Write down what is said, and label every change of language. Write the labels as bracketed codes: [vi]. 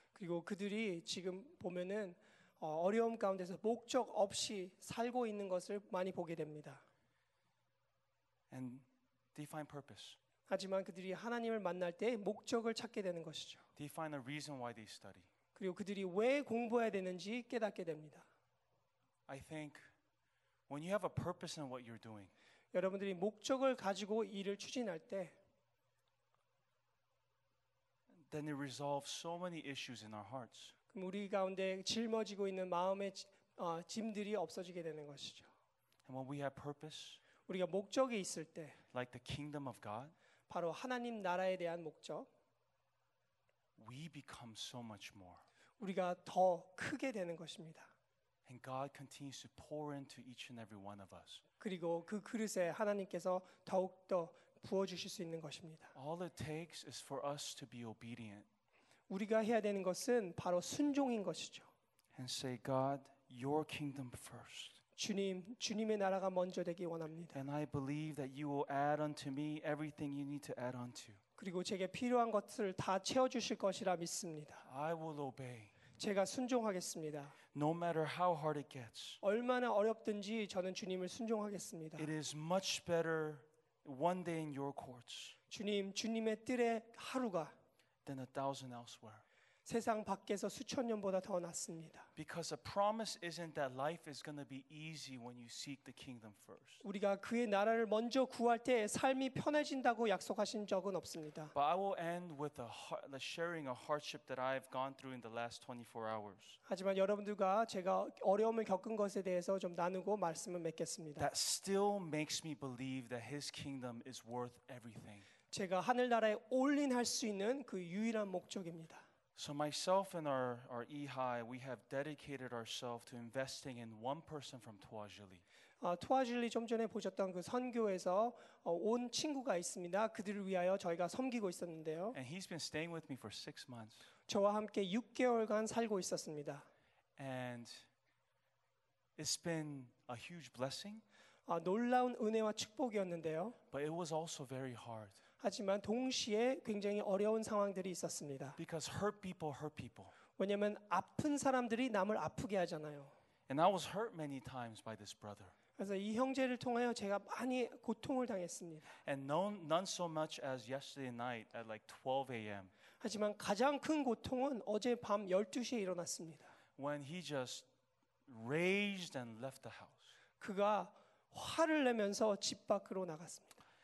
[ko] 그리고 그들이 지금 보면은 어려움 가운데서 목적 없이 살고 있는 것을 많이 보게 됩니다. [en] And they find purpose. [ko] 하지만 그들이 하나님을 만날 때 목적을 찾게 되는 것이죠. [en] They find a reason why they study. [ko] 그리고 그들이 왜 공부해야 되는지 깨닫게 됩니다. [en] I think when you have a purpose in what you're doing. [ko] 여러분들이 목적을 가지고 일을 추진할 때 [en] then it resolves so many issues in our hearts. [ko] 우리 가운데 짊어지고 있는 마음의 짐들이 없어지게 되는 것이죠. [en] And when we have purpose, [ko] 우리가 목적이 있을 때, [en] like the kingdom of God, [ko] 바로 하나님 나라에 대한 목적, [en] we become so much more. [ko] 우리가 더 크게 되는 것입니다. [en] And God continues to pour into each and every one of us. [ko] 그리고 그 그릇에 하나님께서 더욱 더 부어 주실 수 있는 것입니다. [en] All it takes is for us to be obedient. [ko] 우리가 해야 되는 것은 바로 순종인 것이죠. [en] And say, God, your kingdom first. [ko] 주님, 주님의 나라가 먼저 되기 원합니다. [en] And I believe that you will add unto me everything you need to add unto. [ko] 그리고 제게 필요한 것을 다 채워 주실 것이라 믿습니다. [en] I will obey. [ko] 제가 순종하겠습니다. [en] No matter how hard it gets. [ko] 얼마나 어렵든지 저는 주님을 순종하겠습니다. [en] It is much better one day in your courts. [ko] 주님, 주님의 뜰의 하루가 [en] than a thousand elsewhere. [ko] 세상 밖에서 수천 년보다 더 낫습니다. [en] Because a promise isn't that life is going to be easy when you seek the kingdom first. [ko] 우리가 그의 나라를 먼저 구할 때 삶이 편해진다고 약속하신 적은 없습니다. [en] But I will end with the sharing a hardship that I've gone through in the last 24 hours. [ko] 하지만 여러분들과 제가 어려움을 겪은 것에 대해서 좀 나누고 말씀을 맺겠습니다. [en] That still makes me believe that his kingdom is worth everything. [ko] 제가 하늘 나라에 올인할 수 있는 그 유일한 목적입니다. [en] So myself and our Ehi, we have dedicated ourselves to investing in one person from Tuajili. [ko] Tuajili, 좀 전에 보셨던 그 선교에서 온 친구가 있습니다. 그들을 위하여 저희가 섬기고 있었는데요. [en] And he's been staying with me for 6 months. [ko] 저와 함께 6개월간 살고 있었습니다. [en] And it's been a huge blessing. [ko] 놀라운 은혜와 축복이었는데요. [en] But it was also very hard. [ko] 하지만 동시에 굉장히 어려운 상황들이 있었습니다. [en] Because hurt people hurt people. [ko] 왜냐면 아픈 사람들이 남을 아프게 하잖아요. [en] And I was hurt many times by this brother. [ko] 그래서 이 형제를 통하여 제가 많이 고통을 당했습니다. [en] And none so much as yesterday night at like 12 a.m. [ko] 하지만 가장 큰 고통은 어제 밤 12시에 일어났습니다. [en] When he just raged and left the house. [ko] 그가 화를 내면서 집 밖으로 나갔습니다.